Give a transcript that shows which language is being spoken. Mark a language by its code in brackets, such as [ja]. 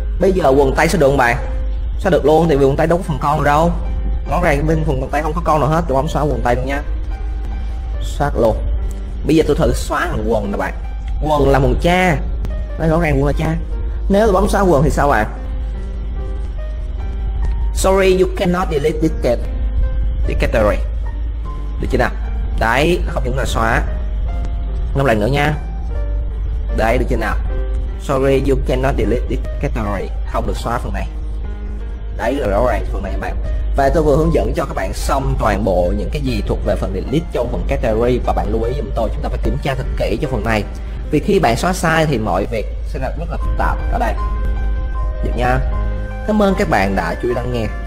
[vi] Bây giờ quần tay sẽ được không bạn? Xóa được luôn, tại vì quần tay đâu có phần con đâu. Rõ ràng bên phần tay không có con nào hết, tôi bấm xóa quần tay luôn nha. Xóa luôn. Bây giờ tôi thử xóa thằng quần nè bạn. Quần là một cha. Đây rõ ràng quần là cha. Nếu tôi bấm xóa quần thì sao bạn? [en] Sorry, you cannot delete this cat. This category. [vi] Được chưa nào? Đấy, không những là xóa. Ngâm lại nữa nha. Đấy, được chưa nào? [en] Sorry, you cannot delete this category. [vi] Không được xóa phần này. Đấy là rõ ràng phần này các bạn. Và tôi vừa hướng dẫn cho các bạn xong toàn bộ những cái gì thuộc về phần delete trong phần category. Và bạn lưu ý giùm tôi, chúng ta phải kiểm tra thật kỹ cho phần này. Vì khi bạn xóa sai thì mọi việc sẽ là rất là phức tạp các bạn. Được nha. Cảm ơn các bạn đã chú ý lắng nghe.